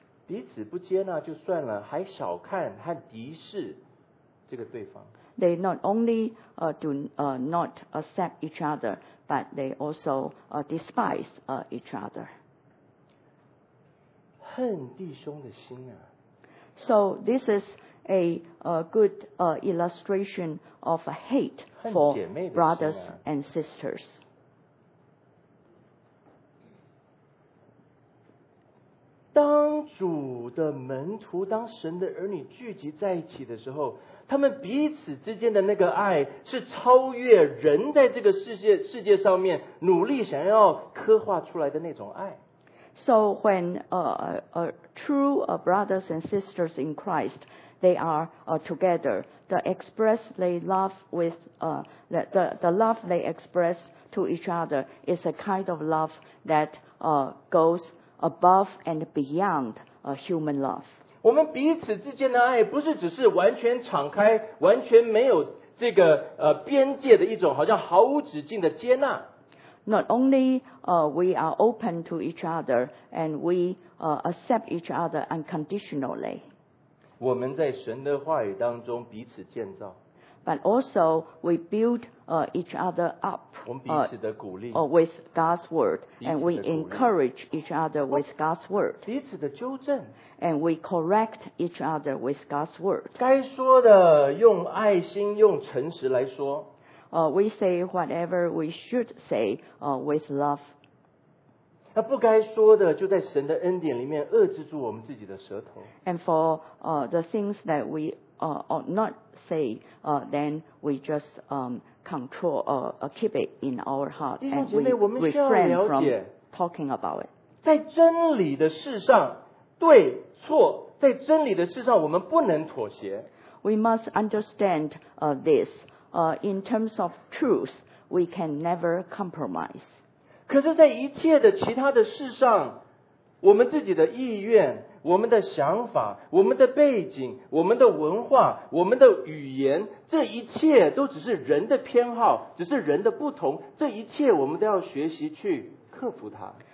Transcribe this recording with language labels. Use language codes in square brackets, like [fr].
[zh] 彼此不接纳就算了，还小看和敌视这个对方。 [en] They not only not accept each other, but they also despise each other. [zh] 恨弟兄的心啊。 [en] So this is a good illustration of hate for brothers and sisters. [zh] 当主的门徒，当神的儿女聚集在一起的时候，他们彼此之间的那个爱是超越人在这个世界上面努力想要刻画出来的那种爱。 [en] So when true brothers and sisters in Christ, they are together. The express they love with the love they express to each other is a kind of love that goes above and beyond human love. [zh] 我们彼此之间的爱不是只是完全敞开，完全没有这个边界的一种好像毫无止境的接纳。 [en] Not only we are open to each other and we accept each other unconditionally. [zh] 我们在神的话语当中彼此建造。 [en] But also we build each other up with God's word, and we encourage each other with God's word, [zh] 彼此的纠正, [en] and we correct each other with God's word. [zh] 该说的用爱心用诚实来说, [en] we say whatever we should say with love. [zh] 那不该说的就在神的恩典里面遏制住我们自己的舌头。 [en] And for the things that weOr not say, then we just control or keep it in our heart and we refrain from talking about it. [zh] 在真理的事上，对错，在真理的事上，我们不能妥协。 [en] We must understand this. In terms of truth, we can never compromise. [zh] 可是，在一切的其他的事上，我们自己的意愿。我们的想法，我们的背景，我们的文化，我们的语言，这一切都只是人的偏好，只是人的不同，这一切我们都要学习去克服它。